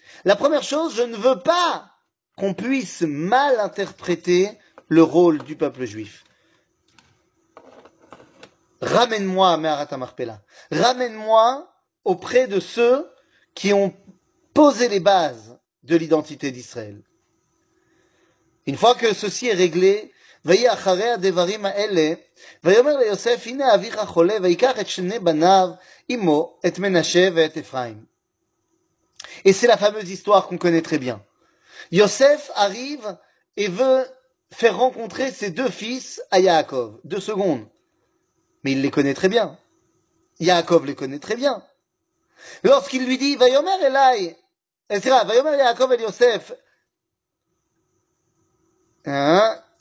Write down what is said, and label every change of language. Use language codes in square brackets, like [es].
[fr] La première chose, je ne veux pas qu'on puisse mal interpréter le rôle du peuple juif. Ramène-moi à Maharat Amarpella. Ramène-moi auprès de ceux qui ont posé les bases de l'identité d'Israël. Une fois que ceci est réglé, [he] ויהי אחרי הדברים האלה, ויאמר ליוסף, הנה אביך חולה, ויקח את שני בניו, אמו, את מנשה ואת אפרים. [fr] Et c'est la fameuse histoire qu'on connaît très bien. Yosef arrive et veut faire rencontrer ses deux fils à Yaakov. Deux secondes. Mais il les connaît très bien. Yaakov les connaît très bien. Lorsqu'il lui dit, [he] ויאמר אליי, [fr] et c'est là, [he] ויאמר יעקב אל יוסף, [fr] hein?